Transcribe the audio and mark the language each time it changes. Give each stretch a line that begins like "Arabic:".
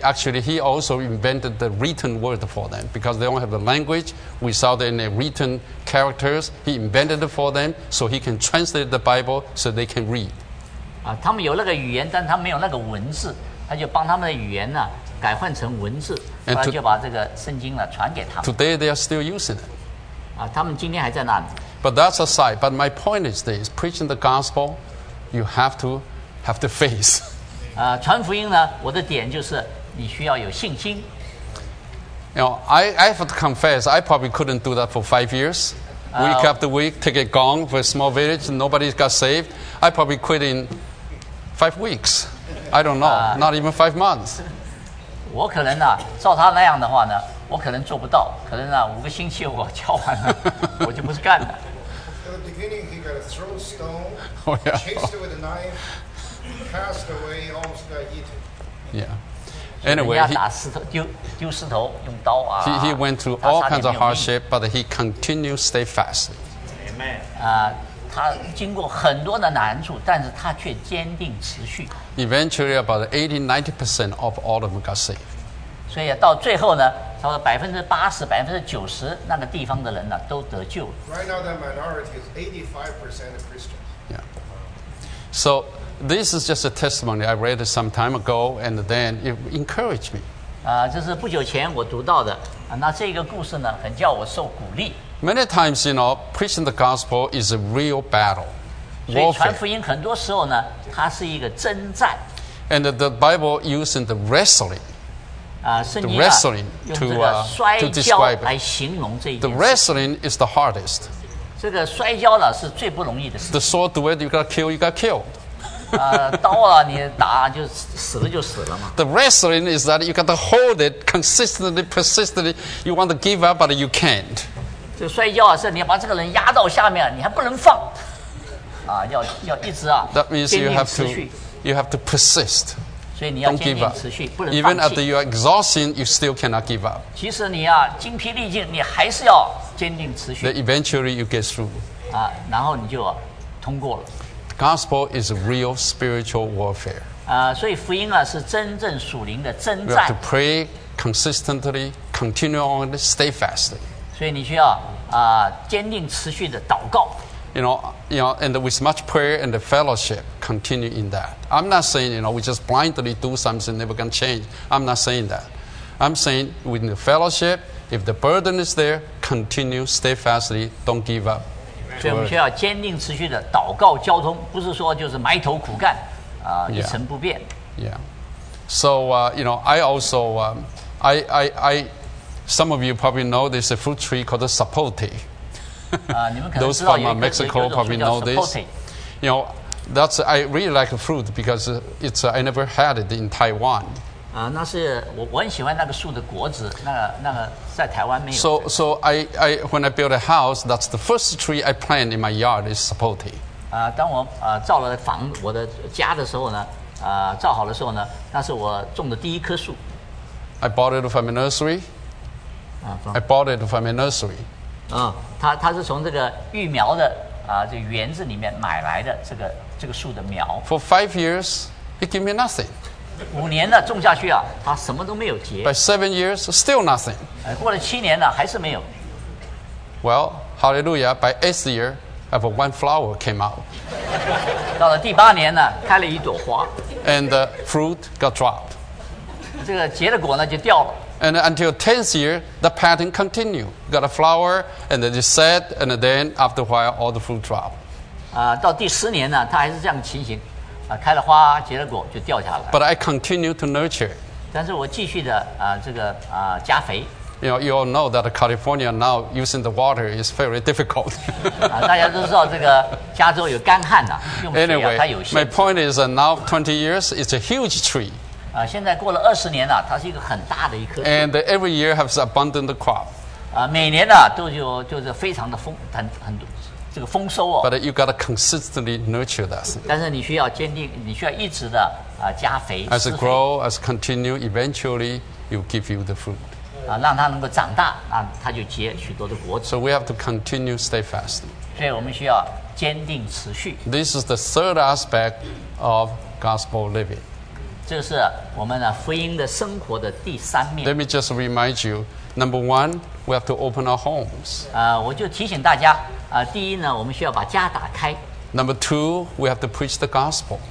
English: actually, he also invented the written word for them because they don't have the language without any written characters. He invented it for them so he can translate the Bible so they can read.
Chinese: 他们有那个语言，但他没有那个文字，他就帮他们的语言呢。改换成文字，然后就把这个圣经呢传给他们。
English: Today they are still using it.
Chinese: 他们今天还在那里。
English: But that's aside. But my point is this: preaching the gospel, you have to face.
Chinese: 传福音呢，我的点就是你需要有信心。
English: You know, I have to confess, I probably couldn't do that for 5 years. Week after week, take a gong for a small village, and nobody got saved. I probably quit in 5 weeks. I don't know, not even 5 months.
Chinese: 我可能呢、照他那样的话呢，我可能做不到。可能呢、五个星期我敲完了，我就不是干了。
English: At the beginning, he got a throw stone, chased it with a knife, passed away, almost got eaten. Yeah. Anyway,
Chinese: 人家打石头丢石头用刀啊。
English: He went through all kinds of hardship, but he continued steadfast. Amen.
Chinese: 他经过很多的难处，但是他却坚定持续。
English: Eventually, about 80-90% of all of them got saved.
Chinese: 所以到最后呢，差不多80-90%那个地方的人呢都得救了。
English: Right now, that minority is 85% of Christians. Yeah. So this is just a testimony I read some time ago, and then it encouraged me.
Chinese: 这是不久前我读到的。那这个故事呢，很叫我受鼓励。
English: Many times, you know, preaching the gospel is a real battle.
Chinese: 所以传福音很多时候呢，它是一个征战。
English: And the Bible using the wrestling, the wrestling to describe it.
Chinese: 来形容这一件。
English: The wrestling is the hardest.
Chinese: 这个摔跤呢是最不容易的事。
English: The sword duel, you got killed.
Chinese: 刀啊，你打就死了就死了嘛。
English: The wrestling is that you got to hold it consistently, persistently. You want to give up, but you can't.
Chinese: 这摔跤啊，是你要把这个人压到下面，你还不能放，要一直啊，
English: That means
Chinese: 坚定持续。
English: You have to persist.
Chinese: 所以你要坚定持续，不能放弃。
English: Even after you are exhausting, you still cannot give up.
Chinese: 其实你啊，精疲力尽，你还是要坚定持续。
English: Then eventually you get through.
Chinese: 然后你就通过了。
English: The gospel is real spiritual warfare.
Chinese: 所以福音啊是真正属灵的征战。
English: You have to pray consistently, continue on, stay fast.
Chinese: 所以你需要坚定持续的祷告。
English: You know, and with much prayer and the fellowship, continue in that. I'm not saying, you know, we just blindly do something, never going to change. I'm not saying that. I'm saying with the fellowship, if the burden is there, continue steadfastly, don't give up.
Chinese: 所以我们需要坚定持续的祷告交通，不是说就是埋头苦干一成不变。
English: Yeah. So, I Some of you probably know there's a fruit tree called the sapote. Those from Mexico probably know this. You know, I really like the fruit because I never had it in Taiwan.
Chinese: 那是我很喜欢那个树的果子，那个在台湾没有。
English: So I when I built a house, that's the first tree I planted in my yard is sapote.
Chinese: 当我造了房我的家的时候呢，造好的时候呢，那是我种的第一棵树。
English: I bought it from a nursery. I bought it from a nursery.
Chinese: 它是从这个育苗的这个园子里面买来的这个树的苗。
English: For 5 years, it gave me nothing. By 7 years, still nothing.
Chinese: 过了七年了,
English: well, hallelujah, by 8th year, of one flower came out.
Chinese: 到了第八年呢,开了一朵花,
English: and the fruit got dropped.
Chinese: 这个结的果呢,
English: and until 10th year, the pattern continued. Got a flower, and then it set, and then after a while, all the fruit dropped.
Chinese: 到第十年呢,它还是这样情形。开了花结了果就掉下来了
English: But I continue to nurture
Chinese: 但是我继续的 加肥
English: You all know that California now using the water is very difficult
Chinese: 大家都知道这个加州有干旱啊
English: Anyway, my point is that now 20 years it's a huge tree
Chinese: 现在过了20年啊 它是一个很大的一棵
English: And every year has abundant crop
Chinese: 每年啊都就是非常的丰很多
English: But you got to consistently nurture that.
Chinese: 但是你需要坚定，你需要一直的 加肥。
English: As it grow, as continue, eventually, you give you the fruit.
Chinese: 让它能够长大，它就结许多的果子。
English: So we have to continue steadfast.
Chinese: 所以我们需要坚定持续。
English: This is the third aspect of gospel living.
Chinese: 这是我们福音的生活的第三面。
English: Let me just remind you. Number one, we have to open our homes.
Chinese: 我就提醒大家。第一呢，我们需要把家打开。
English: Number two, we have to preach the gospel.